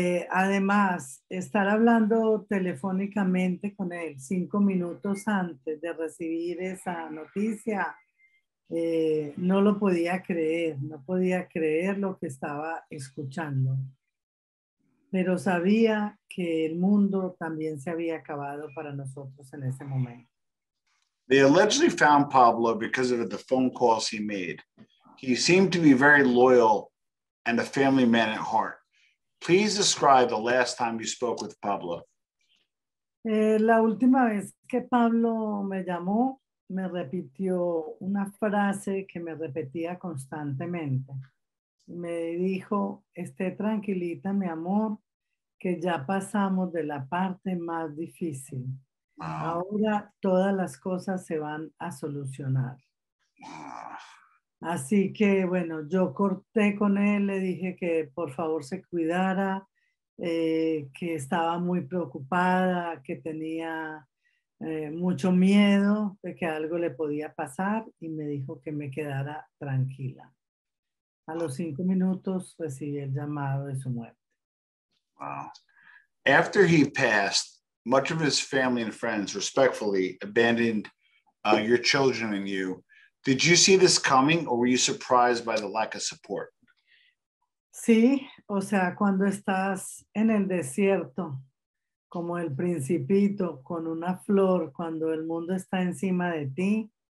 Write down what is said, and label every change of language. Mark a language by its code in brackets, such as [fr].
[es] Además, estar hablando telefónicamente con él 5 minutos antes de recibir esa noticia, no lo podía creer, no podía creer lo que estaba escuchando. Pero sabía que el mundo también se había acabado para nosotros en ese momento. [en] They allegedly found Pablo because of the phone calls he made. He seemed to be very loyal and a family man at heart. Please describe the last time you spoke with Pablo. [es] La última vez que Pablo me llamó, me repitió una frase que me repetía constantemente. Me dijo, esté tranquilita, mi amor, que ya pasamos de la parte más difícil. Wow. Ahora todas las cosas se van a solucionar. Así que, bueno, yo corté con él, le dije que por favor se cuidara, que estaba muy preocupada, que tenía mucho miedo de que algo le podía pasar y me dijo que me quedara tranquila. A los 5 minutos recibí el llamado de su muerte. [en] Wow. After he passed, much of his family and friends respectfully abandoned your children and you. Did you see this coming or were you surprised by the lack of support? [es] Sí, o sea, cuando estás en el desierto, como el principito con una flor, cuando el mundo está encima de ti